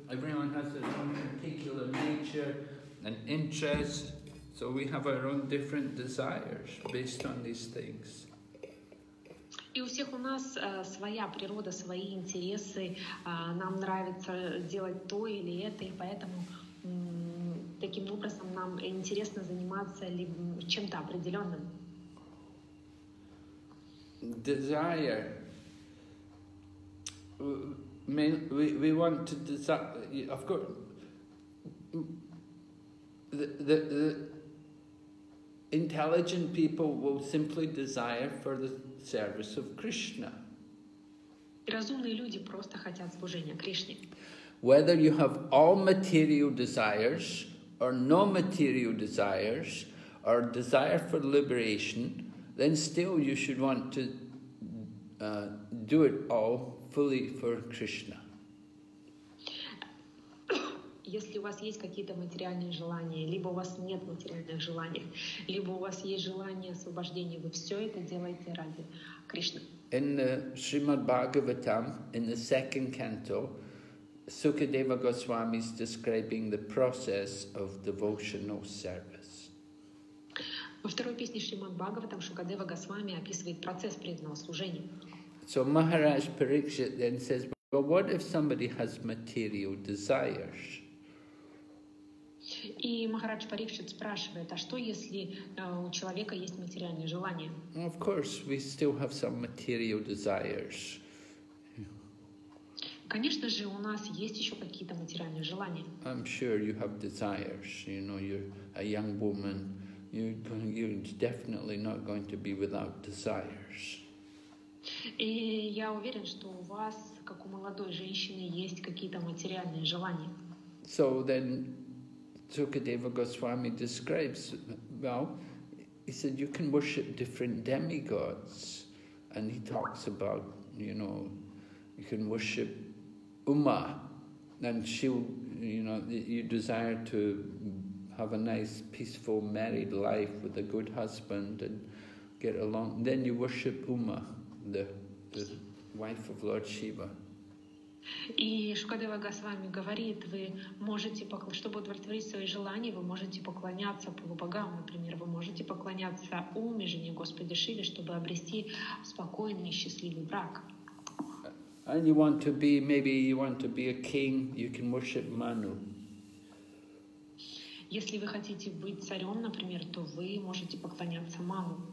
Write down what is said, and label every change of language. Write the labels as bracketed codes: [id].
[en] Everyone has their own particular nature and interest. So we have our own different desires based on these things. [ru] И у всех у нас своя природа, свои интересы. Нам нравится делать то или это, и поэтому таким образом нам интересно заниматься чем-то определенным. [en] Desire. we want to desire, of course, the intelligent people will simply desire for the service of Krishna. [ru] Разумные люди просто хотят служения Кришне. [en] Whether you have all material desires or no material desires or desire for liberation, then still you should want to do it all fully for Krishna. [ru] Если у вас есть какие-то материальные желания, либо у вас нет материальных желаний, либо у вас есть желание освобождения, вы все это делаете ради Кришны. [en] In the Srimad Bhagavatam, in the second canto, Sukadeva Goswami is describing the process of devotional service. [ru] Во второй песне Шримад Бхагаватам Шукадева Госвами описывает процесс преданного служения. [en] So Maharaj Parikshit then says, well, what if somebody has material desires? [ru] И Махарадж Парикшит спрашивает, а что если у человека есть материальные желания? [en] Of course, we still have some material desires. [ru] Конечно же, у нас есть еще какие-то материальные желания. [en] I'm sure you have desires. You know, you're a young woman. You're definitely not going to be without desires. [ru] И я уверен, что у вас, как у молодой женщины, есть какие-то материальные желания. [en] So then Sukadeva Goswami describes, well, he said you can worship different demigods, and he talks about, you know, you can worship Uma, and she, you know, you desire to have a nice, peaceful, married life with a good husband and get along, then you worship Uma, the wife of Lord Shiva. [ru] И Шукадева Госвами говорит, вы можете, чтобы удовлетворить свои желания, вы можете поклоняться полубогам, например, вы можете поклоняться Уме, жене Господи Шиве, чтобы обрести спокойный и счастливый брак. [en] And you want to be, maybe you want to be a king, you can worship Manu. [ru] Если вы хотите быть царем, например, то вы можете поклоняться Ману.